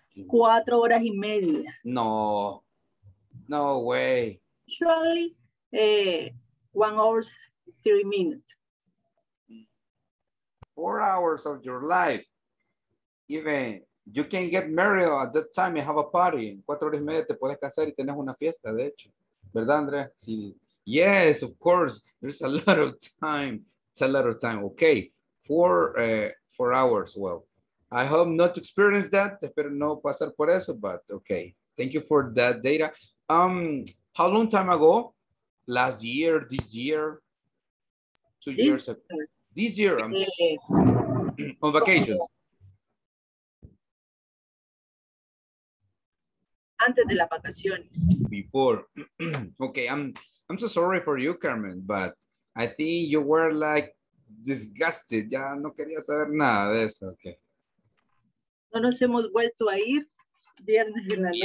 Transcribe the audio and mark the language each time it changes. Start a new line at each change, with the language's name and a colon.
Spanish: 4 horas y media.
English: No. No way. Usually, 1 hour, 3 minutes. 4 hours of your life. Even you can get married at that time and have a party.
Spanish: 4 horas y media te puedes casar y tener una fiesta, de hecho. ¿Verdad, Andrea? Sí.
English: Yes, of course, there's a lot of time. It's a lot of time. Okay, four hours. Well, I hope not to experience that.
Spanish: Espero no pasar por eso,
English: but okay. Thank you for that data. How long time ago? Last year, this year? 2 years ago. This year, I'm on vacation.
Spanish: Antes de la vacaciones.
English: Before. Okay, I'm so sorry for you, Carmen, but I think you were like disgusted.
Spanish: Ya no quería saber nada de eso. Okay. No nos hemos vuelto a ir viernes en la noche.